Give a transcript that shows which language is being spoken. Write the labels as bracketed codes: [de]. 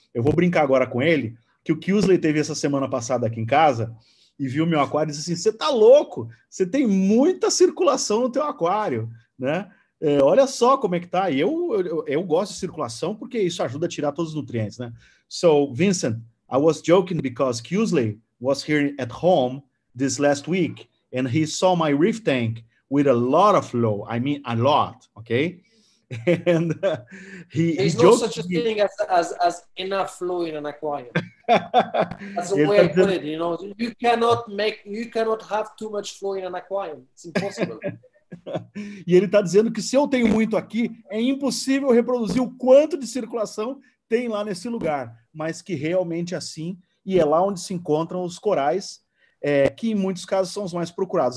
[pt] Eu vou brincar agora com ele, que o Kiusley teve essa semana passada aqui em casa e viu meu aquário e disse assim, você tá louco? Você tem muita circulação no teu aquário, né? Olha só como é que tá. Eu gosto de circulação porque isso ajuda a tirar todos os nutrientes, né? [en] So, Vincent, I was joking because Kiusley was here at home this last week and he saw my reef tank with a lot of flow. I mean, a lot, okay? And he's no such a thing as enough flow in an aquarium. That's the way I put it, you know. You cannot have too much flow in an aquarium. It's impossible. [pt] E ele está dizendo que se eu tenho muito aqui, é impossível reproduzir o quanto de circulação tem lá nesse lugar. Mas que realmente é assim, e é lá onde se encontram os corais, que em muitos casos são os mais procurados.